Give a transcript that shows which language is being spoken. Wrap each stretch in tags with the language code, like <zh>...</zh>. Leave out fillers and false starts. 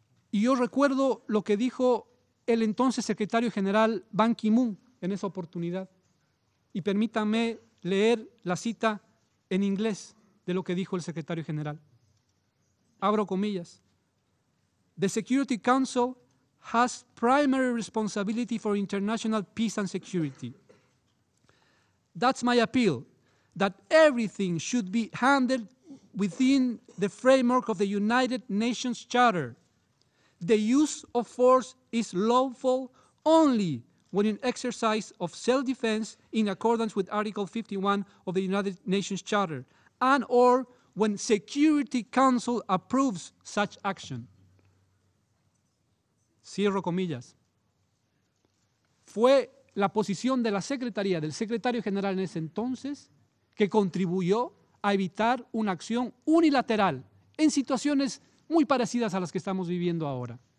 <es>Y yo recuerdo lo que dijo el entonces secretario general Ban Ki-moon en esa oportunidad. Y permítanme leer la cita en inglés de lo que dijo el secretario general. Abro comillas.</es> <en>The Security Council has primary responsibility for international peace and security. That's my appeal, that everything should be handled within the framework of the United Nations Charter. The use of force is lawful only when in exercise of self-defense in accordance with Article 51 of the United Nations Charter and or when Security Council approves such action.</en> <es>Cierro comillas. Fue la posición de la Secretaría, del secretario general en ese entonces, que contribuyó a evitar una acción unilateral en situaciones muy parecidas a las que estamos viviendo ahora.</es>